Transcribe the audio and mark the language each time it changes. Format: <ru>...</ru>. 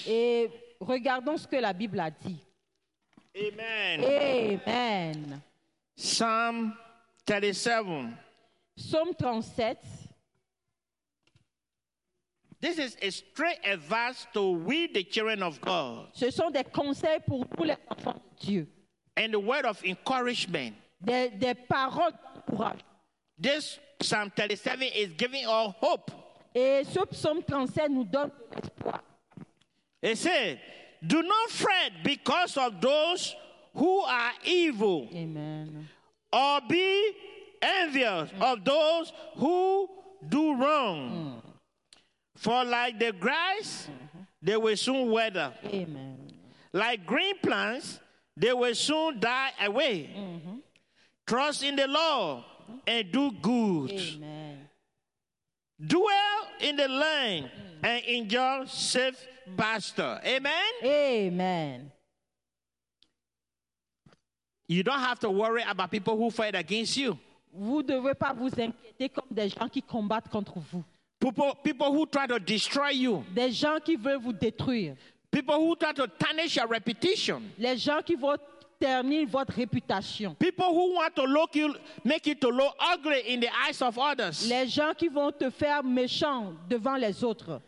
<fr>Et regardons ce que la Bible a dit. Amen. Amen.</fr> <en>Psalm 37.</en> <fr>Psaume 37.</fr> <en>This is a straight advice to we, the children of God.</en> <fr>Ce sont des conseils pour tous les enfants de Dieu.</fr> <en>And the word of encouragement.</en> <fr>Des paroles d'encouragement.</fr> <en>This Psalm 37 is giving us hope.</en> <fr>Et ce psaume 37 nous donne de l'espoir.</fr> <en>It says, "Do not fret because of those who are evil." Amen. Or be envious of those who do wrong. Mm. For like the grass, they will soon wither. Amen. Like green plants, they will soon die away. Mm-hmm. Trust in the Lord and do good. Amen. Dwell in the land and enjoy safe pasture. Amen? Amen. You don't have to worry about people who fight against you.</en> <fr>Vous ne devez pas vous inquiéter comme des gens qui combattent contre vous.</fr> <en>People who try to destroy you.</en> <fr>Des gens qui veulent vous détruire.</fr> <en>People who try to tarnish your reputation.</en> <fr>Les gens qui veulent ternir votre réputation.</fr> <en>People who want to look you, make you to look ugly in the eyes of others.</en> <fr>Les gens qui vont te faire méchant devant les autres.</fr>